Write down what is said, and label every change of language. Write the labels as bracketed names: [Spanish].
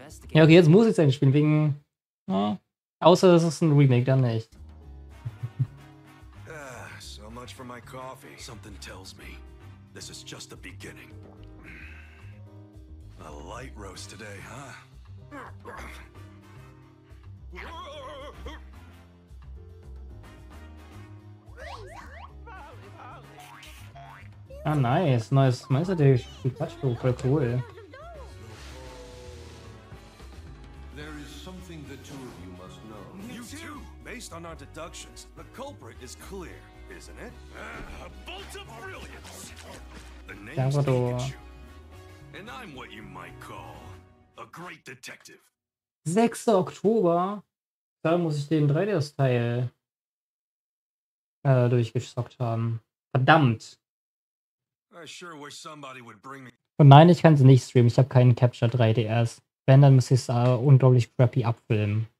[German] Ja, okay, jetzt muss ich es eigentlich spielen, wegen. Ja, außer das ist ein Remake, dann nicht. [English] So much for my coffee. Something tells me, this is just the beginning. A light roast today, huh? [German] Ah, nice. Neues Meister-Detektiv-Pikachu. Voll cool. [English] There is something the two of you must know. You too. Based on our deductions, the culprit is clear, isn't it? A bolt of brilliance. The name's Pikachu. And I'm what you might call a great detective. [German] 6. Oktober. Da muss ich den 3DS-Teil durchgezockt haben. Verdammt. Oh nein, ich kann sie nicht streamen. Ich habe keinen Capture 3DS. Wenn, dann muss ich es unglaublich crappy abfilmen.